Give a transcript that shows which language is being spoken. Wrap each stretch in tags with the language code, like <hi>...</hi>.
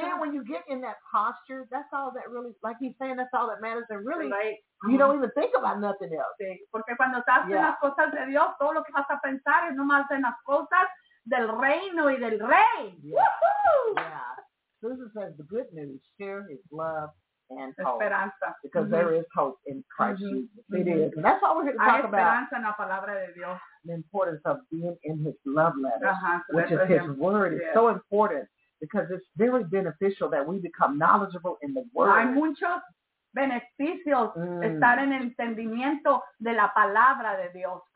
<en>then when you get in that posture, that's all that really, like he's saying, that's all that matters. And really, right. you don't even think about nothing else.</en> <es>Sí. Porque cuando estás</es> <en>yeah.</en> <es>en las cosas de Dios, todo lo que vas a pensar es nomás en las cosas del reino y del rey.</es> <en>Yeah. Woo-hoo! Yeah. Susan says the good news, share his love. And</en> <es>esperanza.</es> <en>Hope, because mm-hmm. there is hope in Christ mm-hmm. Jesus. Mm-hmm. It is. And that's all we're here to talk</en> <es>esperanza En la palabra de Dios.</es> <en>The importance of being in his love letter, uh-huh. so which is his word. Yes. It's so important because it's very beneficial that we become knowledgeable in the word.</en> <es>Hay muchos beneficios estar en el entendimiento de la palabra de Dios.</es>